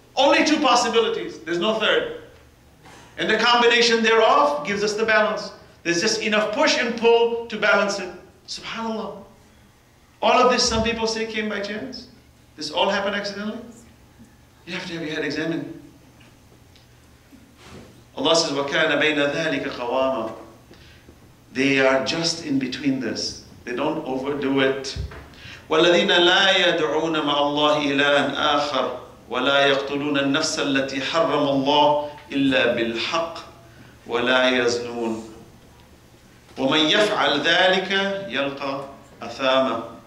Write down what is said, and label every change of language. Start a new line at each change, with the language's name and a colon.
English: Only two possibilities, there's no third. And the combination thereof gives us the balance. There's just enough push and pull to balance it. SubhanAllah. All of this, some people say, came by chance. This all happened accidentally. You have to have your head examined. Allah says,
Arabic: وَكَانَ بَيْنَ ذَٰلِكَ قَوَامًا.
English: They are just in between this. They don't overdo it.
Arabic: وَالَّذِينَ لَا يَدْعُونَ مَعَ اللَّهِ إِلَٰهًا آخَرَ وَلَا يَقْتُلُونَ النَّفْسَ الَّتِي حَرَّمَ اللَّهُ إِلَّا بِالْحَقِّ وَلَا يَزْنُونَ وَمَنْ يَفْعَلْ ذَٰلِكَ يَلْقَ أَثَامًا.